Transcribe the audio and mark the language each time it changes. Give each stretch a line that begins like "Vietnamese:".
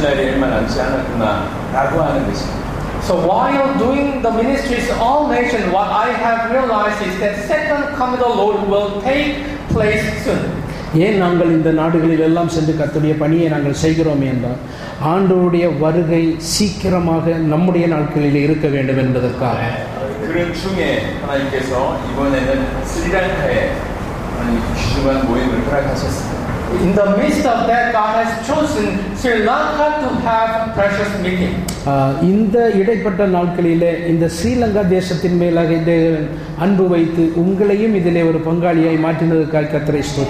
English: So while doing the ministries of all nations, what I have realized is that second coming of the Lord will take place soon.
Tamil: ஏன் நாங்கள் இந்த நாடுகளில் எல்லாம் சென்று கர்த்தருடைய பணியை நாங்கள் செய்கிறோம் என்றால் ஆண்டவருடைய வருகை சீக்கிரமாக நம்முடைய நாட்களில் இருக்க வேண்டும் என்பதற்காக.
English: In the midst of that, God has chosen Sri Lanka to have a precious meeting.
Tamil: இந்த இடைப்பட்ட நாட்களிலே இந்த ஸ்ரீலங்கா தேசத்தின் மேலாக இந்த அன்பு வைத்து உங்களையும் இதிலே ஒரு பங்காளியாய் மாற்றினதற்காக கர்த்தரை